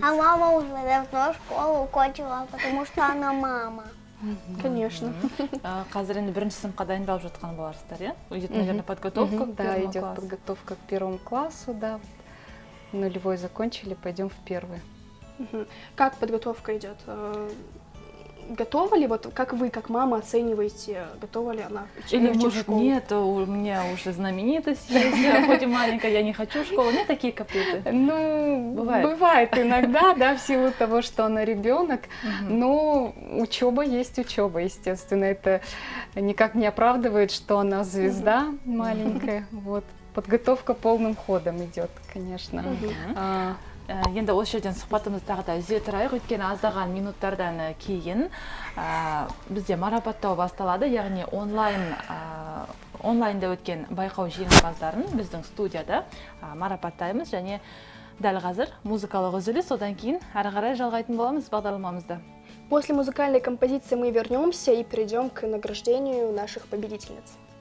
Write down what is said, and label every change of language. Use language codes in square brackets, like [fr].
[ru] А мама уже давно школу кончила, потому что она мама. Конечно. [kk] Қазір енді бірінші сыныпқа дайындалып жатқан боларсыздар, иә? [ru] Идет, наверное, подготовка к первому классу. Да, идет подготовка к первому классу, да. Нулевой закончили, пойдем в первый. Как подготовка идет? Готова ли, вот как вы, как мама, оцениваете, готова ли она учиться? Или, может, нет, у меня уже знаменитость есть, хоть и маленькая, я не хочу в школу. Нет, такие каприты? Ну, бывает иногда, да, в силу того, что она ребенок. Но учеба есть учеба, естественно. Это никак не оправдывает, что она звезда маленькая. Вот, подготовка полным ходом идет, конечно. [kk] Енді осы жерден сұхбатымызды тағы да үзе тұрайық, өйткені аздаған минуттардан кейін бізде марапаттау басталады, яғни онлайнда өткен байқау жеңімпаздарын біздің студияда марапаттаймыз, және дәл қазір музыкалық үзіліс, содан кейін ары қарай жалғайтын боламыз бағдарламамызды. [ru] После музыкальной композиции мы вернемся и перейдем к награждению наших победительниц.